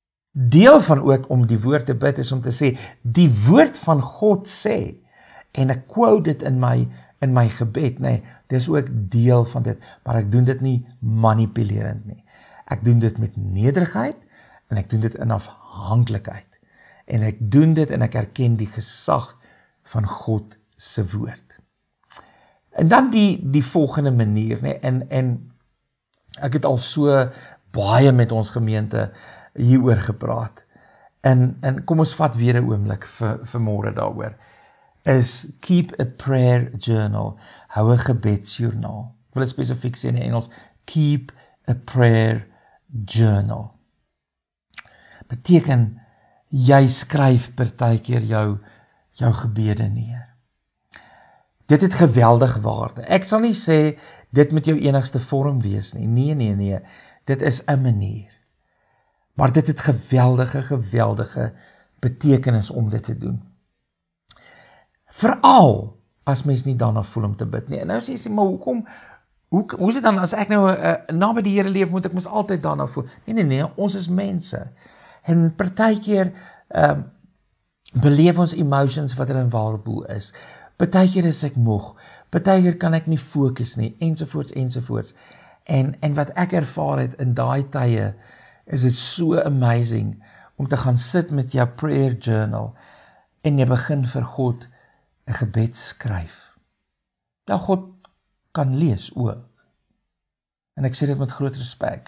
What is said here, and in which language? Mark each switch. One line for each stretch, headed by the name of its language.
Afrikaans: Deel van ook om die woord te bid is om te sê, die woord van God sê, en ek quote dit in my gebed, nee, dit is ook deel van dit, maar ek doen dit nie manipulerend nie. Ek doen dit met nederigheid, en ek doen dit in afhanklikheid. En ek doen dit en ek erken die gesag van God se woord. En dan die volgende manier, nee, en ek het al so baie met ons gemeente hieroor gepraat, en kom ons vat weer een oomblik vir môre daaroor, is
English: keep a prayer journal,
Afrikaans: hou een gebedsjournaal. Ek wil spesifiek sê in Engels,
English: keep a prayer journal.
Afrikaans: Beteken, jy skryf partykeer jou gebede neer. Dit het geweldig waarde. Ek sal nie sê, dit moet jou enigste vorm wees nie. Nee. Dit is een manier. Maar dit het geweldige betekenis om dit te doen. Vooral as mens nie daarna voel om te bid nie. En nou sê jy, maar hoe is dit dan, as ek nou na by die Here leef, moet ek mos altyd daarna voel? Nee, ons is mense. En partykeer beleef ons emotions wat in waarboel is. Partykeer is ek moeg. Partykeer kan ek nie fokus nie, ensovoorts. En wat ek ervaar het in daai tye, is dit so amazing om te gaan sit met jou prayer journal en jy begin vir God 'n gebed skryf. Nou God kan lees ook. En ek sê dit met groot respek.